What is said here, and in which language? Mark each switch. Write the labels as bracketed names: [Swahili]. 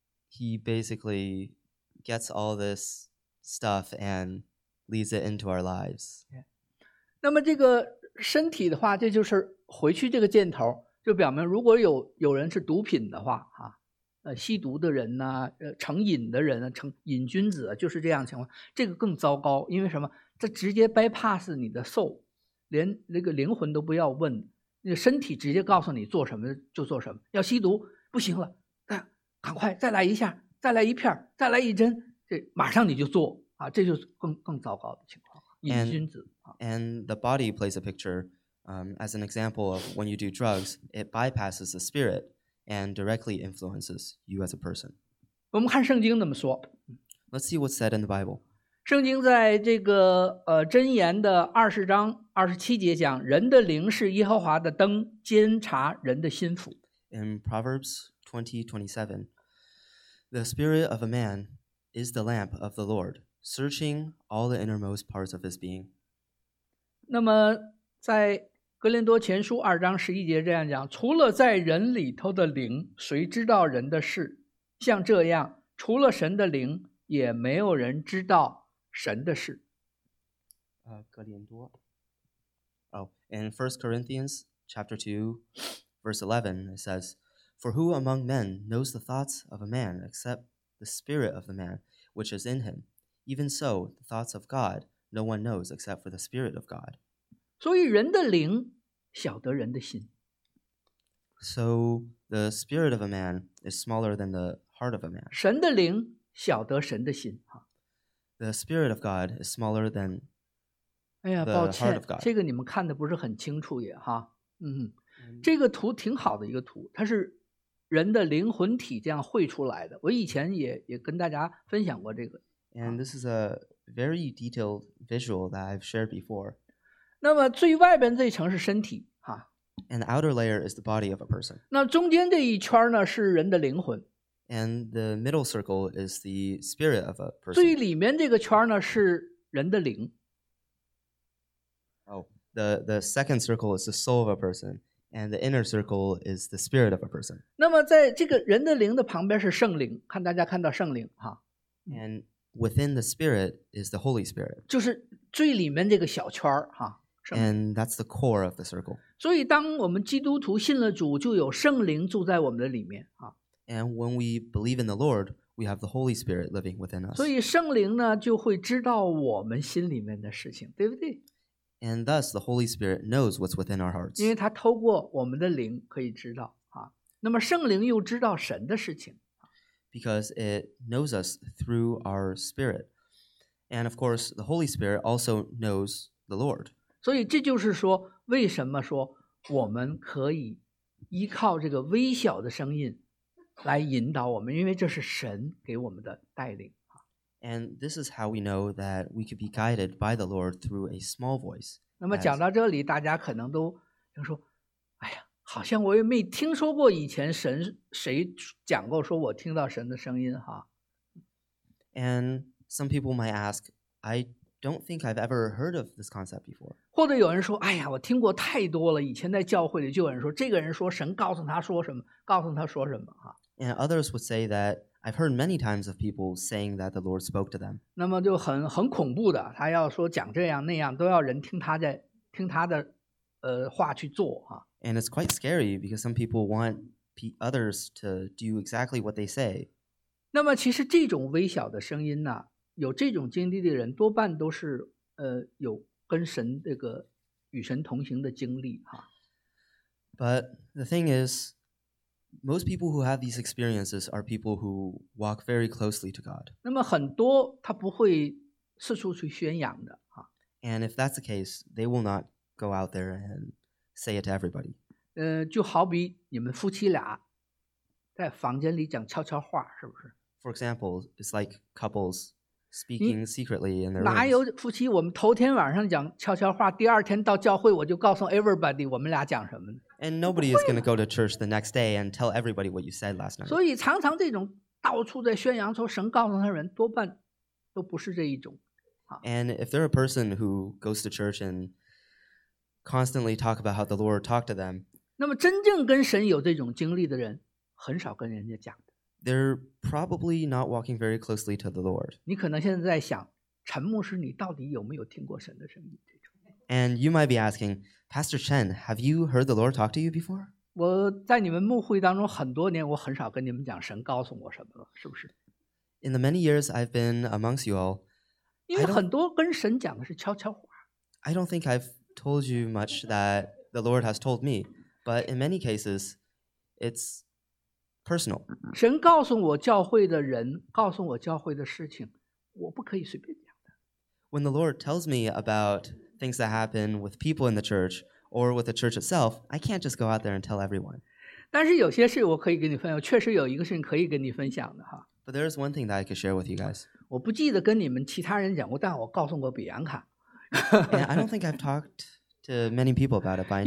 [English] He basically gets all this stuff and leads it into our lives. Yeah. [Chinese] 那么这个身体的话，这就是回去这个箭头，就表明如果有人是毒品的话，吸毒的人呢，成瘾的人呢，成瘾君子，就是这样的情况，这个更糟糕，因为什么？这直接 [English] bypass [Chinese] 你的 [English] soul， [Chinese] 连那个灵魂都不要问，那个身体直接告诉你做什么就做什么，要吸毒不行了，赶快再来一下，再来一片，再来一针，这马上你就做啊，这就是更糟糕的情况，瘾君子。 [English] And the body plays a picture, as an example of when you do drugs, it bypasses the spirit. And directly influences you as a person. [Chinese] 我们看圣经怎么说。 [English] Let's see what's said in the Bible. [Chinese] 圣经在这个箴言的20:27讲，人的灵是耶和华的灯，监察人的心腹。 [English] In Proverbs 20:27, the spirit of a man is the lamp of the Lord, searching all the innermost parts of his being. [Chinese] 那么在哥林多前书2:11这样讲，除了在人里头的灵，谁知道人的事？像这样，除了神的灵，也没有人知道神的事。哥林多。 [English] In 1 Corinthians chapter 2, verse 11, it says, For who among men knows the thoughts of a man except the spirit of the man which is in him? Even so, the thoughts of God no one knows except for the spirit of God. [Chinese] 所以人的灵晓得人的心。 [English] So the spirit of a man is smaller than the heart of a man. [Chinese] 神的灵晓得神的心。 [English] The spirit of God is smaller than the heart of God. [Chinese] 哎呀，抱歉，这个你们看的不是很清楚也哈。这个图挺好的一个图，它是人的灵魂体这样绘出来的。我以前也跟大家分享过这个。 [English] And this is a very detailed visual that I've shared before. [Chinese] 那么最外边这一层是身体哈。 [English] And the outer layer is the body of a person. [Chinese] 那中间这一圈呢是人的灵魂。 [English] And the middle circle is the spirit of a person. [Chinese] 最里面这个圈呢是人的灵。 [English] The second circle is the soul of a person, and the inner circle is the spirit of a person. [Chinese] 那么在这个人的灵的旁边是圣灵，看大家看到圣灵哈。 [English] And within the spirit is the Holy Spirit. [Chinese] 就是最里面这个小圈哈。 [English] And that's the core of the circle. [Chinese] 所以当我们基督徒信了主，就有圣灵住在我们的里面啊。 [English] And when we believe in the Lord, we have the Holy Spirit living within us. [Chinese] 所以圣灵呢，就会知道我们心里面的事情，对不对？ [English] And thus the Holy Spirit knows what's within our hearts. [Chinese] 因为他透过我们的灵可以知道啊。那么圣灵又知道神的事情。 [English] Because it knows us through our spirit. And of course, the Holy Spirit also knows the Lord. [Chinese] 所以这就是说，为什么说我们可以依靠这个微小的声音来引导我们，因为这是神给我们的带领。 [English] And this is how we know that we could be guided by the Lord through a small voice. [Chinese] 那么讲到这里，大家可能都说，哎呀，好像我也没听说过以前神谁讲过说我听到神的声音哈。 [English] And some people might ask, I don't think I've ever heard of this concept before. [Chinese] 或者有人说，哎呀，我听过太多了。以前在教会里就有人说，这个人说神告诉他说什么，告诉他说什么哈。 [English] And others would say that I've heard many times of people saying that the Lord spoke to them. [Chinese] 那么就很恐怖的，他要说讲这样那样，都要人听他的话去做哈。 [English] And it's quite scary because some people want others to do exactly what they say. [Chinese] 那么其实这种微小的声音呢？有这种经历的人多半都是有跟神这个与神同行的经历哈。 [English] But the thing is, most people who have these experiences are people who walk very closely to God. [Chinese] 那么很多他不会四处去宣扬的哈。 [English] And if that's the case, they will not go out there and say it to everybody. [Chinese] 就好比你们夫妻俩在房间里讲悄悄话，是不是？ [English] For example, it's like couples speaking secretly in their rooms. [Chinese] 哪有夫妻，我们头天晚上讲悄悄话，第二天到教会我就告诉 [English] everybody [Chinese] 我们俩讲什么。 [English] And nobody is going to go to church the next day and tell everybody what you said last night. [Chinese] 所以常常这种到处在宣扬说神告诉他人，多半都不是这一种。 [English] And if they're a person who goes to church and constantly talk about how the Lord talked to them, [Chinese] 那么真正跟神有这种经历的人很少跟人家讲的。 [English] They're probably not walking very closely to the Lord. [Chinese] 你可能现在在想，陈牧师，你到底有没有听过神的声音？ [English] And you might be asking, Pastor Chen, have you heard the Lord talk to you before? [Chinese] 我在你们牧会当中很多年，我很少跟你们讲神告诉我什么了，是不是？ [English] In the many years I've been amongst you all, [Chinese] 因为很多跟神讲的是悄悄话。 [English] I don't think I've told you much that the Lord has told me, but in many cases, it's personal. [Chinese] 神告诉我教会的人，告诉我教会的事情，我不可以随便讲的。 [English] When the Lord tells me aboutthings that happen with people in the church or with the church itself, I can't just go out there and tell everyone. [Chinese] 但是有些事我可以跟你分享，确实有一个事情可以跟你分享的哈。 [English] But there is one thing that I could share with you guys. [Chinese] 我不记得跟你们其他人讲过，但我告诉过比安卡。 [English] And I don't think I've talked to many people about it, but I know